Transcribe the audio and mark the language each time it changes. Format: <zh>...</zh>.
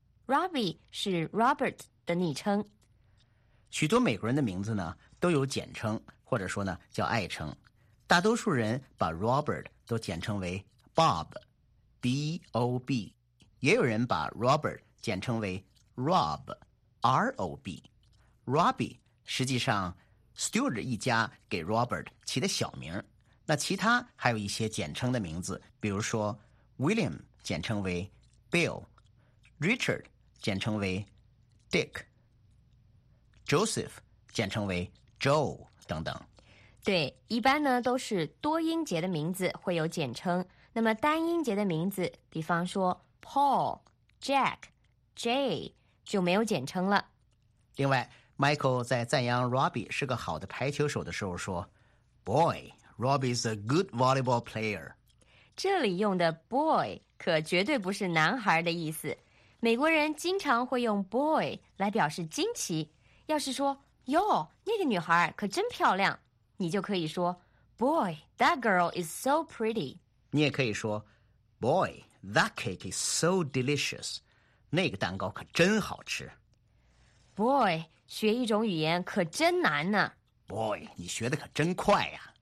<zh>Robbie 是 Robert 的昵称。许多美国人的名字呢都有简称，或者说呢叫爱称。大多数人把 Robert 都简称为 Bob， B-O-B， 也有人把 Robert 简称为 Rob， R-O-B。 Robbie 实际上 Stewart 一家给 Robert 起的小名。那其他还有一些简称的名字，比如说 William 简称为 Bill， Richard 简称为 Dick， Joseph 简称为 Joe 等等。对，一般呢都是多音节的名字会有简称，那么单音节的名字，比方说 Paul、 Jack、 Jay 就没有简称了。另外 Michael 在赞扬 Robbie 是个好的排球手的时候说</zh> <en>BoyRobbie is a good volleyball player.</en> <zh>这里用的 boy 可绝对不是男孩的意思。美国人经常会用 boy 来表示惊奇。要是说，哟，那个女孩可真漂亮，你就可以说</zh> <en>boy, that girl is so pretty.</en> <zh>你也可以说</zh> <en>boy, that cake is so delicious.</en> <zh>那个蛋糕可真好吃。 Boy, 学一种语言可真难呢。 Boy, 你学的可真快呀。</zh>